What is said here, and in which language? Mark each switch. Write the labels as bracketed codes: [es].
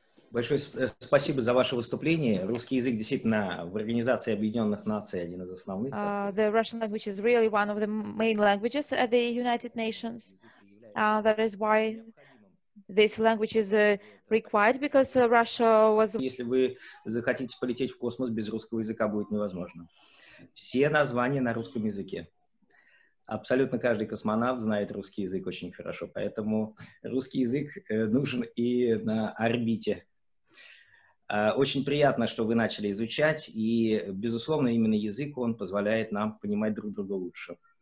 [ru] Большое спасибо за ваше выступление. Русский язык действительно в Организации Объединенных Наций один из основных. [en] The Russian language is really one of the main languages at the United Nations. That is why this language is required, because Russia was... [ru] Если вы захотите полететь в космос, без русского языка будет невозможно. Все названия на русском языке. Абсолютно каждый космонавт знает русский язык очень хорошо, поэтому русский язык нужен и на орбите. Очень приятно, что вы начали изучать, и, безусловно, именно язык, он позволяет нам понимать друг друга лучше.